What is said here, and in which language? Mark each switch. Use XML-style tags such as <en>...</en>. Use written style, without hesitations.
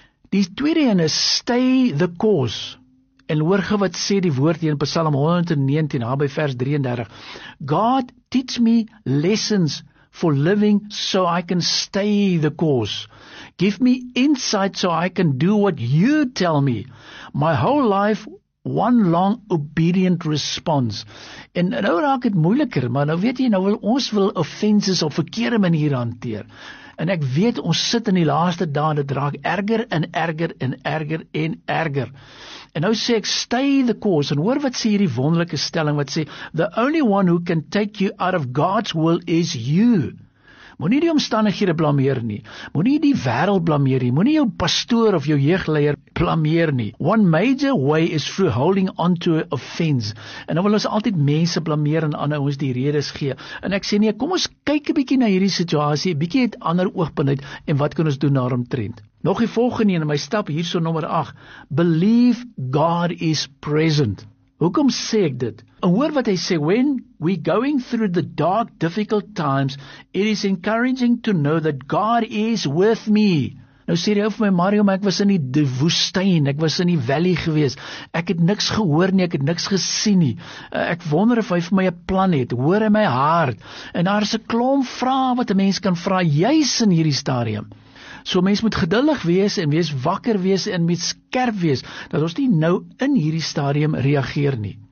<af>die tweede een is stay the course, en hoor ge wat sê die woord hier in Psalm 119, daar by vers 33,</af> <en>God teach me lessons for living so I can stay the course. Give me insight so I can do what you tell me. My whole life, one long obedient response.</en> <af>En nou raak het moeiliker, maar nou weet jy, nou wil ons wil offenses op verkeerde manier hanteer. En ek weet, ons sit in die laaste dae, dit raak erger en erger en erger en erger. En nou sê ek, stay the course, en hoor wat sê hierdie wonderlike stelling, wat sê,</af> <en>the only one who can take you out of God's will is you.</en> <af>Moet nie die omstandighede blameer nie, moet nie die wêreld blameer nie, moet nie jou pastoor of jou jeugleier blameer nie.</af> <en>One major way is through holding on to offense,</en> <af>en nou wil ons altyd mense blameer en ander ons die redes gee, en ek sê nie, kom ons kyk 'n bietjie na hierdie situasie, 'n bietjie het ander oogpunt uit, en wat kan ons doen daaromtrent? Nog die volgende in my stap, hierso nommer 8,</af> <en>believe God is present.</en> <af>Hoekom sê ek dit? En hoor wat hy sê,</af> <en>when we going through the dark, difficult times, it is encouraging to know that God is with me.</en> <af>Nou sê hy vir my, Mario, maar ek was in die woestyn, ek was in die valley gewees, ek het niks gehoor nie, ek het niks gesien nie, ek wonder of hy vir my 'n plan het, hoor in my hart, en daar is 'n klomp vrae wat 'n mens kan vra, juis in hierdie stadium. So mens moet geduldig wees en wees wakker wees en moet skerp wees, dat ons nie nou in hierdie stadium reageer nie.</af>